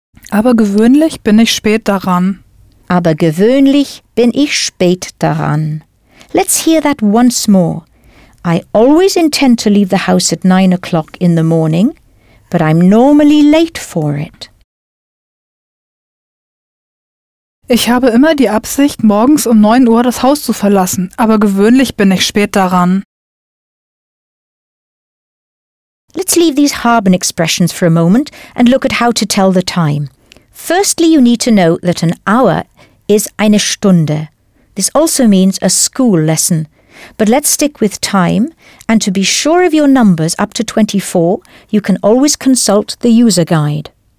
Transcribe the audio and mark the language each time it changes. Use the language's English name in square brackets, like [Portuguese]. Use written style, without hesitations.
[German] Aber gewöhnlich bin ich spät daran. Aber gewöhnlich bin ich spät daran. [English] Let's hear that once more. I always intend to leave the house at 9 o'clock in the morning, but I'm normally late for it. [German] Ich habe immer die Absicht, morgens 9 Uhr das Haus zu verlassen, aber gewöhnlich bin ich spät daran. [English] Let's leave these haben expressions for a moment and look at how to tell the time. Firstly, you need to know that an hour is eine Stunde. This also means a school lesson. But let's stick with time, and to be sure of your numbers up to 24, you can always consult the user guide.